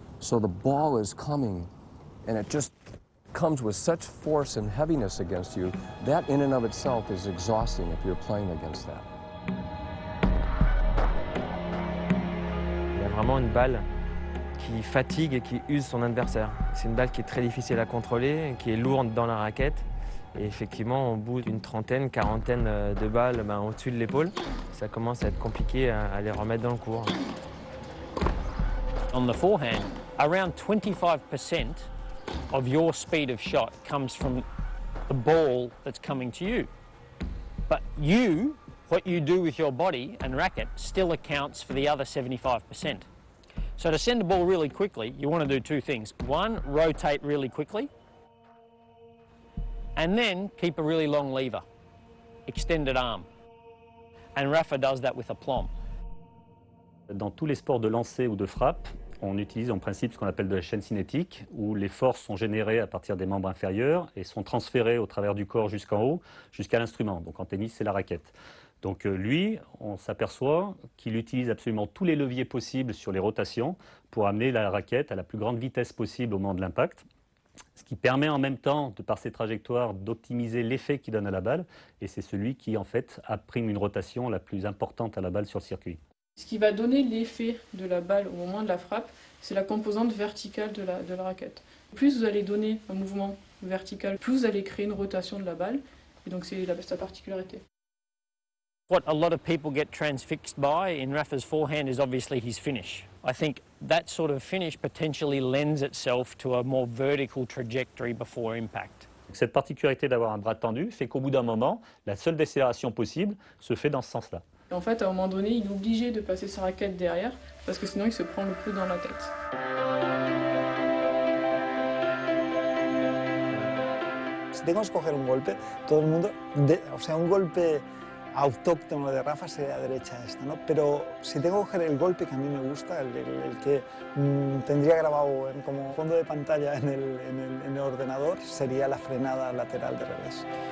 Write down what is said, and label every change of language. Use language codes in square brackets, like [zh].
[en] So the ball is coming, and it just comes with such force and heaviness against you, that in and of itself is exhausting if you're playing against that. [fr] Il y a vraiment une balle qui fatigue et qui use son adversaire. C'est une balle qui est très difficile à contrôler, qui est lourde dans la raquette. Et effectivement, au bout d'une trentaine, quarantaine de balles au-dessus de l'épaule, ça commence à être compliqué à les remettre dans le court. [en] On the forehand, around 25% of your speed of shot comes from the ball that's coming to you. But you, what you do with your body and racket, still accounts for the other 75%. So to send the ball really quickly, you want to do two things. One, rotate really quickly. And then keep a really long lever, extended arm. And Rafa does that with aplomb. [fr] Dans tous les sports de lancer ou de frappe, on utilise en principe ce qu'on appelle de la chaîne cinétique, où les forces sont générées à partir des membres inférieurs et sont transférées au travers du corps jusqu'en haut, jusqu'à l'instrument. Donc en tennis, c'est la raquette. Donc lui, on s'aperçoit qu'il utilise absolument tous les leviers possibles sur les rotations pour amener la raquette à la plus grande vitesse possible au moment de l'impact. Ce qui permet en même temps, de par ses trajectoires, d'optimiser l'effet qu'il donne à la balle. Et c'est celui qui, en fait, imprime une rotation la plus importante à la balle sur le circuit. Ce qui va donner l'effet de la balle au moment de la frappe, c'est la composante verticale de la raquette. Plus vous allez donner un mouvement vertical, plus vous allez créer une rotation de la balle. Et donc, c'est sa particularité. [en] What a lot of people get transfixed by in Rafa's forehand is obviously his finish. I think that sort of finish potentially lends itself to a more vertical trajectory before impact. [fr] Cette particularité d'avoir un bras tendu fait qu'au bout d'un moment, la seule décélération possible se fait dans ce sens-là. En fait, à un moment donné, il est obligé de passer sa raquette derrière parce que sinon il se prend le coup dans la tête. [es] Si tengo que escoger un golpe, todo el mundo, o sea, un golpe autóctono de Rafa sería derecha esta, ¿no? Pero si tengo que coger el golpe que a mí me gusta, el que tendría grabado en, como fondo de pantalla en el ordenador, sería la frenada lateral de revés.